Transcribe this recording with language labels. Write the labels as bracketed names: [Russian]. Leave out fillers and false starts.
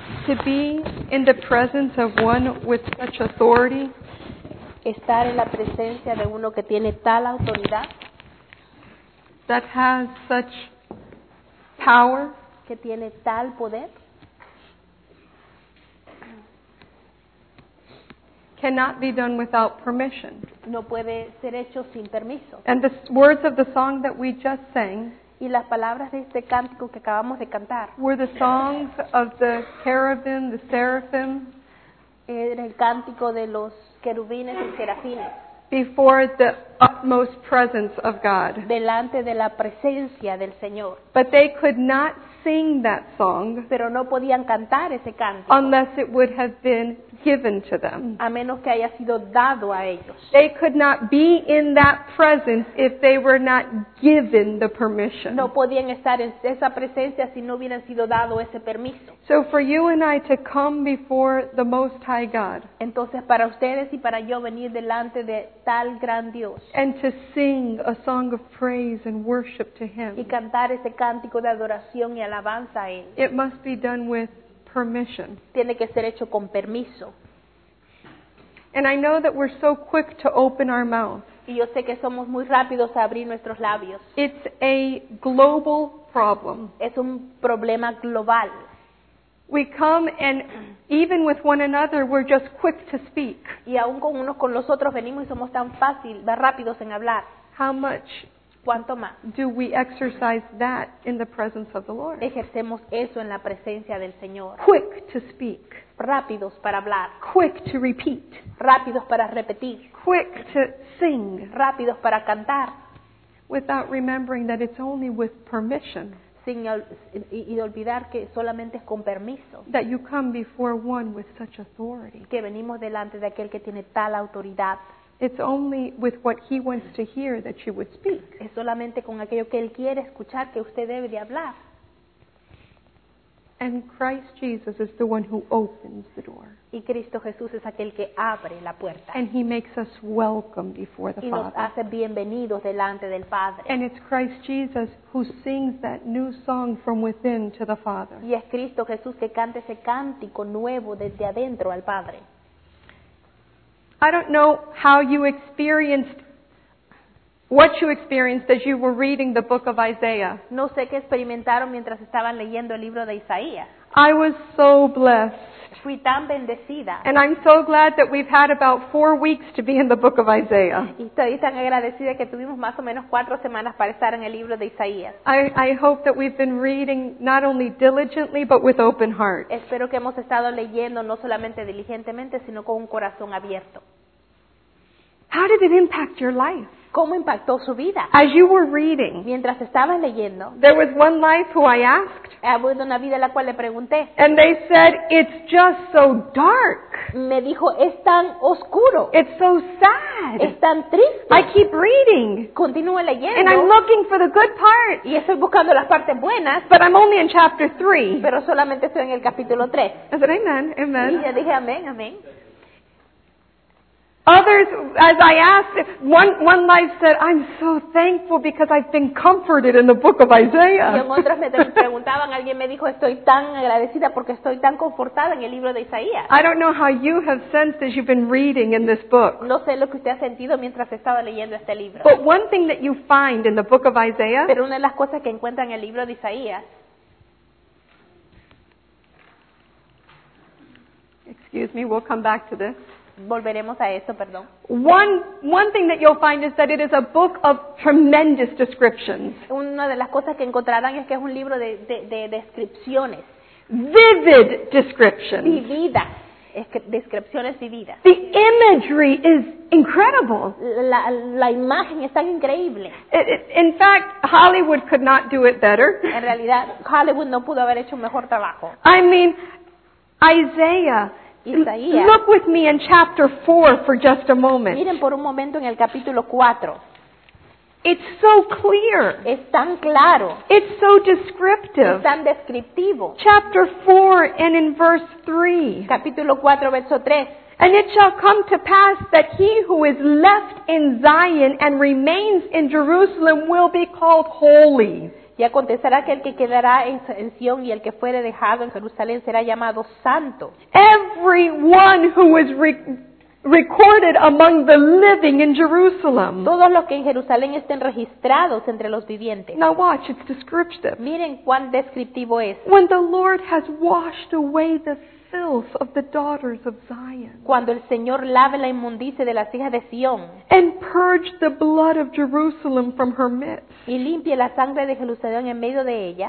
[English] To be in the presence of one with such authority. [Spanish] Estar en la presencia de uno que tiene tal autoridad. [English] That has such power. [Spanish] Que tiene tal poder. [English] Cannot be done without permission. [Spanish] No puede ser hecho sin permiso. [English] And the words of the song that we just sang. [Spanish] Y las palabras de este cántico que acabamos de cantar. [English] Were the songs of the cherubim, the seraphim. [Spanish] Era el cántico de los querubines y serafines. [English] Before the utmost presence of God. [Spanish] Delante de la presencia del Señor. [English] But they could not sing that song. [Spanish] Pero no podían cantar ese cántico. [English] Unless it would have been given to them. [Spanish] A menos que haya sido dado a ellos. [English] They could not be in that presence if they were not given the permission. [Spanish] No podían estar en esa presencia si no hubieran sido dado ese permiso. [English] So for you and I to come before the Most High God. [Spanish] Entonces para ustedes y para yo venir delante de tal gran Dios. [English] And to sing a song of praise and worship to Him. [Spanish] Y cantar ese cántico de adoración y alabanza a Él. [English] It must be done with permission. [Spanish] Tiene que ser hecho con permiso. [English] And I know that we're so quick to open our mouth. [Spanish] Y yo sé que somos muy rápidos a abrir nuestros labios. [English] It's a global problem. [Spanish] Es un problema global. [English] We come and even with one another, we're just quick to speak. [Spanish] Y aún con unos con los otros venimos y somos tan fácil, tan rápidos en hablar. [English] How much? [Spanish] ¿Cuánto más? [English] Do we exercise that in the presence of the Lord? [Spanish] Ejercemos eso en la presencia del Señor. [English] Quick to speak. [Spanish] Rápidos para hablar. [English] Quick to repeat. [Spanish] Rápidos para repetir. [English] Quick to sing. [Spanish] Rápidos para cantar. [English] Without remembering that it's only with permission. [Spanish] Sin y olvidar que solamente es con permiso. [English] That you come before one with such authority. [Spanish] Que venimos delante de aquel que tiene tal autoridad. [English] It's only with what he wants to hear that you would speak. [Spanish] Es solamente con aquello que él quiere escuchar que usted debe de hablar. [English] And Christ Jesus is the one who opens the door. [Spanish] Y Cristo Jesús es aquel que abre la puerta. [English] And he makes us welcome before the Father. [Spanish] Y nos hace bienvenidos delante del Padre. [English] And it's Christ Jesus who sings that new song from within to the Father. [Spanish] Y es Cristo Jesús que canta ese cántico nuevo desde adentro al Padre. [English] I don't know how you experienced what you experienced as you were reading the book of Isaiah. [Spanish] No sé qué experimentaron mientras estaban leyendo el libro de Isaías. [English] I was so blessed. [Spanish] Fui tan bendecida. [English] And I'm so glad that we've had about 4 weeks to be in the book of Isaiah. [Spanish] Y estoy tan agradecida que tuvimos más o menos 4 semanas para estar en el libro de Isaías. [English] I hope that we've been reading not only diligently but with open hearts. [Spanish] Espero que hemos estado leyendo no solamente diligentemente sino con un corazón abierto. [English] How did it impact your life? [Spanish] ¿Cómo impactó su vida? [English] As you were reading, [Spanish] mientras estaba leyendo, [English] there was one life who I asked. [Spanish] Había una vida a la cual le pregunté. [English] And they said, it's just so dark. [Spanish] Me dijo, es tan oscuro. [English] It's so sad. [Spanish] Es tan triste. [English] I keep reading. [Spanish] Continúo leyendo. [English] And I'm looking for the good part. [Spanish] Y estoy buscando las partes buenas. [English] But I'm only in chapter 3. [Spanish] Pero solamente estoy en el capítulo 3. [English] I said, amen, amen. [Spanish] Y yo dije, amén, amén. [English] Others, as I asked, one life said, I'm so thankful because I've been comforted in the book of Isaiah. [Spanish] Y otras me preguntaban, alguien me dijo, estoy tan agradecida porque estoy tan confortada en el libro de Isaías. [English] I don't know how you have sensed as you've been reading in this book. [Spanish] No sé lo que usted ha sentido mientras estaba leyendo este libro. [English] But one thing that you find in the book of Isaiah. [Spanish] Pero una de las cosas que encuentran en el libro de Isaías. [English] Excuse me, we'll come back to this. [Spanish] Volveremos a eso, perdón. [English] One thing that you'll find is that it is a book of tremendous descriptions. [Spanish] Una de las cosas que encontrarán es que es un libro de descripciones. [English] Vivid descriptions. [Spanish] Vividas. Descripciones vividas. [English] The imagery is incredible. [Spanish] La imagen es tan increíble. [English] In fact, Hollywood could not do it better. [Spanish] En realidad, Hollywood no pudo haber hecho un mejor trabajo. [English] I mean, Isaiah. [Spanish] Isaías. [English] Look with me in chapter 4 for just a moment. [Spanish] Miren por un momento en el capítulo 4. [English] It's so clear. [Spanish] Es tan claro. [English] It's so descriptive. [Spanish] Es tan descriptivo. [English] Chapter 4 and in verse 3. [Spanish] Capítulo 4, verso 3. [English] And it shall come to pass that he who is left in Zion and remains in Jerusalem will be called holy. [Spanish] Y acontecerá que el que quedará en Sion y el que fuere dejado en Jerusalén será llamado santo. [English] Everyone who is recorded among the living in Jerusalem. [Spanish] Todos los que en Jerusalén estén registrados entre los vivientes. [English] Now watch, it's descriptive. [Spanish] Miren cuán descriptivo es. [English] When the Lord has washed away the filth of the daughters of Zion. [Spanish] Cuando el Señor lave la inmundicia de las hijas de Sion. [English] And purge the blood of Jerusalem from her midst. [Spanish] Y limpie la sangre de Jerusalén en medio de ella.